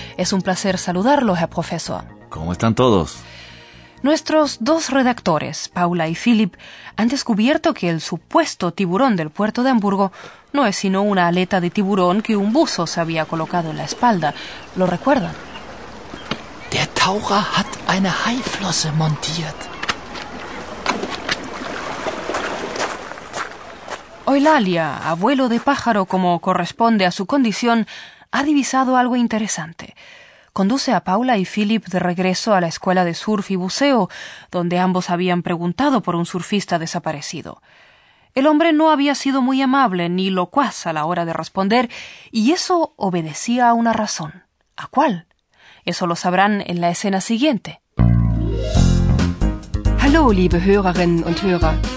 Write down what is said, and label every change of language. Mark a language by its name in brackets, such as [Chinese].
[Spanish] Es un placer saludarlo, Herr Professor. ¿Cómo están todos? Nuestros dos redactores, Paula y Philip, han descubierto que el supuesto tiburón del puerto de Hamburgo no es sino una aleta de tiburón que un buzo se había colocado en la espalda. ¿Lo recuerdan? [German] Der Taucher hat eine Haiflosse montiert. [Spanish] Eulalia, abuelo de pájaro como corresponde a su condición, ha divisado algo interesante. Conduce a Paula y Philip de regreso a la escuela de surf y buceo, donde ambos habían preguntado por un surfista desaparecido. El hombre no había sido muy amable ni locuaz a la hora de responder, y eso obedecía a una razón. ¿A cuál? Eso lo sabrán en la escena siguiente. [German] Hallo, liebe Hörerinnen und Hörer.